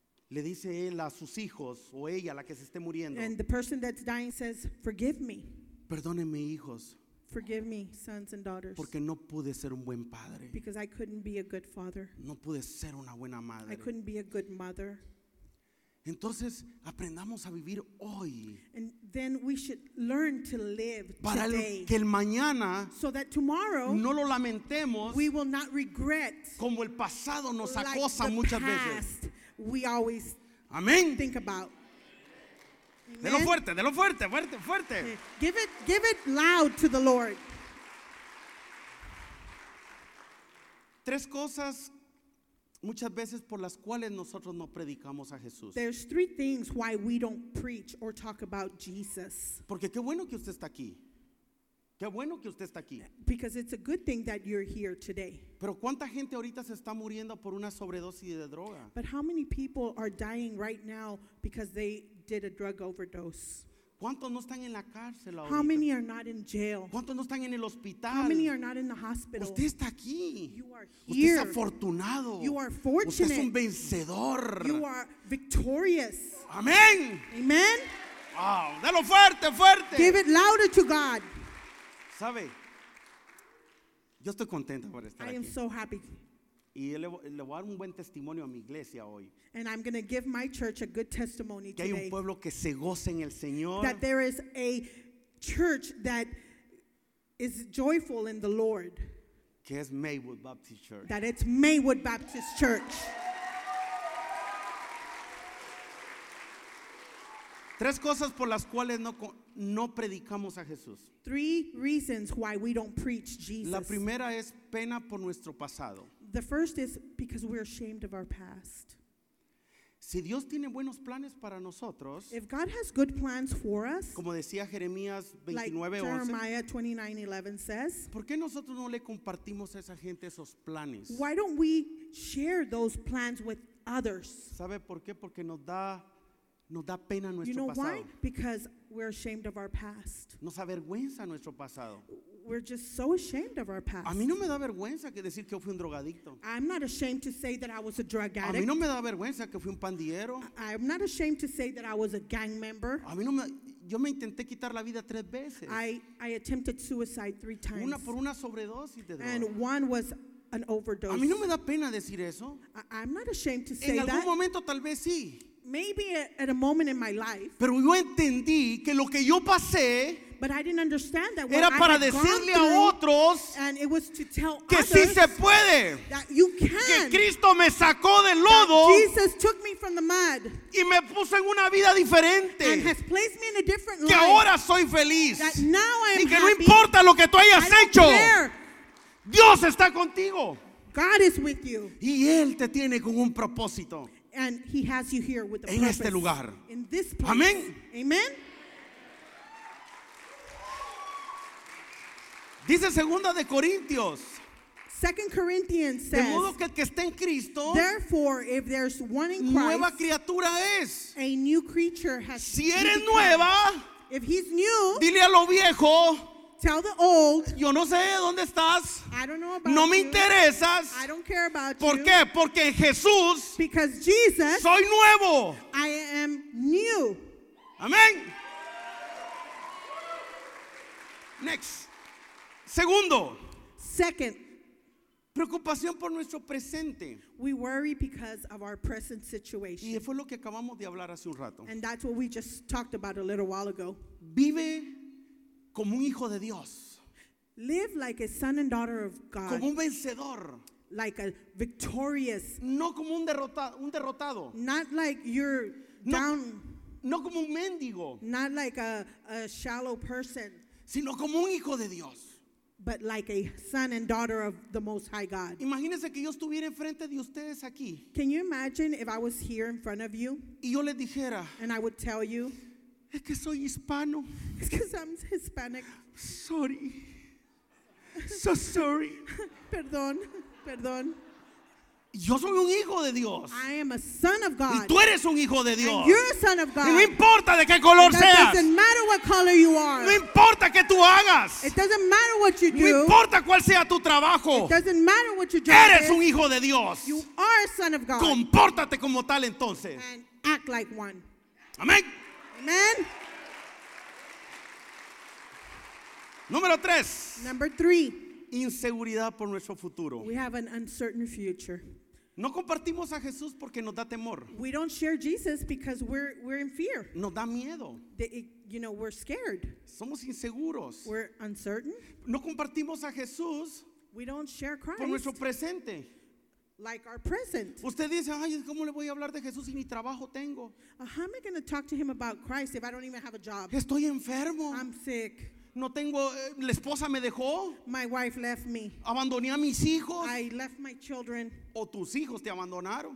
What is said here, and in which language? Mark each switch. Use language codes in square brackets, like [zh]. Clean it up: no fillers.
[es] Le dice él a sus hijos o ella, la que se esté muriendo. [en] And the person that's dying says, forgive me. [es] Perdóneme, hijos. [en] Forgive me, sons and daughters. [es] Porque no pude ser un buen padre. [en] Because I couldn't be a good father. [es] No pude ser una buena madre. [en] I couldn't be a good mother. [es] Entonces, aprendamos a vivir hoy. [en] And then we should learn to live [es] para [en] today. [es] Para que el mañana [en] so that tomorrow, [es] no lo lamentemos [en] we will not regret [es] como el pasado nos [en] like [es] acosa muchas [en] past, [es] veces. [en] We always [es] amén. [en] Think about. [es] Dele fuerte, fuerte, fuerte. [en] Give it loud to the Lord. [es] Tres cosas muchas veces por las cuales nosotros no predicamos a Jesús. [en] There's three things why we don't preach or talk about Jesus. [es] Porque qué bueno que usted está aquí. Qué bueno que usted está aquí. [en] Because it's a good thing that you're here today. [es] Pero cuánta gente ahorita se está muriendo por una sobredosis de droga. [en] But how many people are dying right now because they did a drug overdose? [es] ¿Cuántos no están en la cárcel ahorita? [en] How many are not in jail? [es] ¿Cuántos no están en el hospital? [en] How many are not in the hospital? [es] Usted está aquí. [en] You are here. [es] Usted es afortunado. [en] You are fortunate. [es] Usted es un vencedor. [en] You are victorious. [es] Amén. [en] Amen. [es] Wow, dalo fuerte, fuerte. [en] Give it louder to God. [es] ¿Sabe? Yo estoy contento por estar aquí. [en] I am so happy. [es] Y le voy a dar un buen testimonio a mi iglesia hoy. [en] And I'm going to give my church a good testimony today. [es] Que hay un pueblo que se goce en el Señor. [en] That there is a church that is joyful in the Lord. [es] Que es Maywood Baptist Church. [en] That it's Maywood Baptist Church. [es] Tres cosas por las cuales no predicamos a Jesús. [en] Three reasons why we don't preach Jesus. [es] La primera es pena por nuestro pasado. [en] The first is because we're ashamed of our past. [es] Si Dios tiene buenos planes para nosotros, [en] if God has good plans for us, [es] como decía Jeremías [en] 29:11, like Jeremiah 29:11 says, [es] ¿por qué nosotros no le compartimos a esa gente esos planes? [en] Why don't we share those plans with others? [es] ¿Sabe por qué? Porque nos da pena nuestro [en] you know [es] pasado. [en] Why? Because we're ashamed of our past. [es] Nos avergüenza nuestro pasado. [en] We're just so ashamed of our past. [es] A mí no me da vergüenza que decir que fui un drogadicto. [en] I'm not ashamed to say that I was a drug addict. [es] A mí no me da vergüenza que fui un pandillero. [en] I'm not ashamed to say that I was a gang member. [es] A mí no me yo me intenté quitar la vida tres veces. [en] I attempted suicide three times. [es] Una por una sobredosis de droga. [en] And one was an overdose. [es] A mí no me da pena decir eso. [en] I'm not ashamed to say that. [es] En algún [en] that. [es] Momento tal vez sí. [en] Maybe at a moment in my life. [es] Pero yo entendí que lo que yo pasé. [en] But I didn't understand that. [es] Era para decirle a otros que sí se puede. Que Cristo me sacó del lodo. [en] Jesus took me from the mud. [es] Y me puso en una vida diferente. [en] And has placed me in a different life. [es] Que ahora soy feliz. [en] That now I am [es] y que [en] happy. [es] No importa lo que tú hayas hecho. [en] Care. [es] Dios está contigo. [en] God is with you. [es] Y Él te tiene con un propósito. [en] And He has you here with a [es] en [en] purpose. [es] Este lugar. [en] In this place. Amen. Amen. [es] Dice segunda de Corintios. [en] Second Corinthians says. [es] De modo que el que está en Cristo. [en] Therefore, if there's one in Christ. [es] Nueva criatura es. [en] A new creature has. [es] Si eres nueva. [en] If he's new. [es] Dile a lo viejo. [en] Tell the old. [es] Yo no sé dónde estás. [en] I don't know about you. [es] No me interesas. [en] I don't care about you. [es] ¿Por qué? Porque en Jesús. [en] Because Jesus. [es] Soy nuevo. [en] I am new. [es] Amén. [en] Next. [es] Segundo. [en] Second. [es] Preocupación por nuestro presente. [en] We worry because of our present situation. [es] Y fue lo que acabamos de hablar hace un rato. [en] And that's what we just talked about a little while ago. [es] Vive como un hijo de Dios. [en] Live like a son and daughter of God. [es] Como un vencedor. [en] Like a victorious. [es] No como un derrotado. [en] Not like you're down. [es] No como un mendigo. [en] Not like a shallow person. [es] Sino como un hijo de Dios. [en] But like a son and daughter of the Most High God. [es] Imagínense que yo estuviera enfrente de ustedes aquí. [en] Can you imagine if I was here in front of you? [es] Y yo les dijera. [en] And I would tell you. [es] Es que soy hispano. [en] It's because I'm Hispanic. Sorry. So sorry. [es] Perdón. Perdón. Yo soy un hijo de Dios. [en] I am a son of God. [es] Y tú eres un hijo de Dios. [en] And you're a son of God. [es] Y no importa de qué color seas. [en] It doesn't matter what color you are. [es] No importa qué tú hagas. [en] It doesn't matter what you do. [es] No importa cuál sea tu trabajo. [en] It doesn't matter what you do. [es] Eres un hijo de Dios. [en] You are a son of God. [es] Compórtate como tal entonces. [en] And act like one. [es] Amén. [en] Amen. [es] Número tres. [en] Number three. [es] Inseguridad por nuestro futuro. [en] We have an uncertain future. [es] No compartimos a Jesús porque nos da temor. [en] We don't share Jesus because we're in fear. [es] Nos da miedo. [en] You know, we're scared. [es] Somos inseguros. [en] We're uncertain. [es] No compartimos a Jesús. [en] We don't share Christ. [es] Por nuestro presente. [en] Like our present. [es] Usted dice, ay, ¿cómo le voy a hablar de Jesús si ni trabajo tengo? [en] How am I going to talk to him about Christ if I don't even have a job? [es] Estoy enfermo. [en] I'm sick. [es] No tengo, la esposa me dejó. [en] My wife left me. [es] Abandoné a mis hijos. [en] I left my children. [es] O tus hijos te abandonaron.